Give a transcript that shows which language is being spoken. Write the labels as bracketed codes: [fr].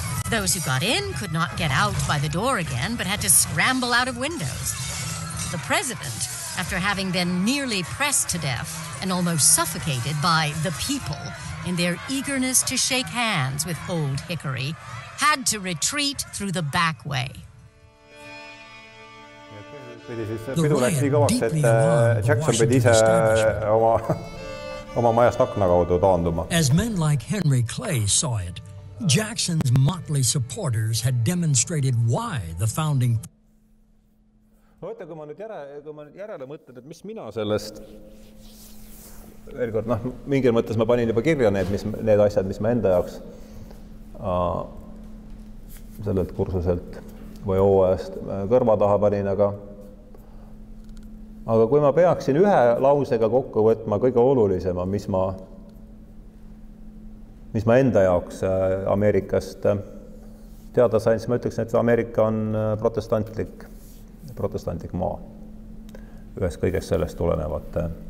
[en] Those who got in could not get out by the door again, but had to scramble out of windows. The president, after having been nearly pressed to death and almost suffocated by the people, in their eagerness to shake hands with Old Hickory, had to retreat through the back way. [et] The pidu läks nii kõvaks, et Jackson pidi ise oma majast akna kaudu taanduma. [en] As men like Henry Clay saw it, Jackson's motley supporters had demonstrated why the founding... [et] Oota, kui ma nüüd järele mõtlen, et mis mina sellest... Veelkord, noh, mingil mõttes ma panin juba kirja need asjad, mis ma enda jaoks sellelt kursuselt või OOS-t kõrva taha panin, aga kui ma peaksin ühe lausega kokku võtma kõige olulisema, mis ma enda jaoks Ameerikast teada sain, siis ma ütleksin, et Ameerika on protestantlik maa ühes kõiges sellest tulenevat.